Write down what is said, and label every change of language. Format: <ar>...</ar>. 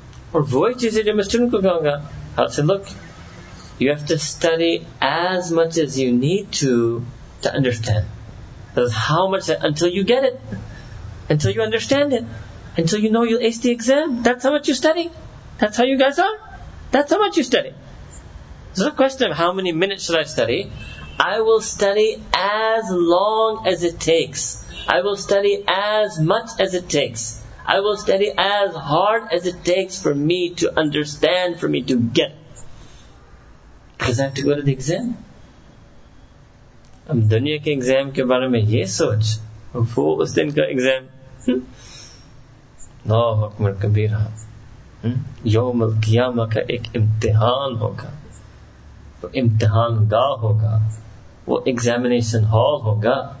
<ur>اور وہی چیزیں جو میں اسٹوڈنٹ کو کہوں گا,</ur> <en>How so look, you have to study as much as you need to understand. That's how much, until you get it, until you understand it, until you know you'll ace the exam, that's how much you study. That's how you guys are. That's how much you study. It's not a question of how many minutes should I study. I will study as long as it takes. I will study as much as it takes. I will study as hard as it takes for me to understand, for me to get it. Because I have to go to the exam.</en> <ur>ہم دنیا کے exam کے بارے میں یہ سوچ, وہ اس دن کا ایگزام.</ur> <ar>اللہ اکبر کبیرہ,</ar> <ur>یوم القیامہ کا ایک امتحان ہوگا, وہ امتحان گاہ ہوگا, وہ ایگزامینیشن ہال ہوگا.</ur>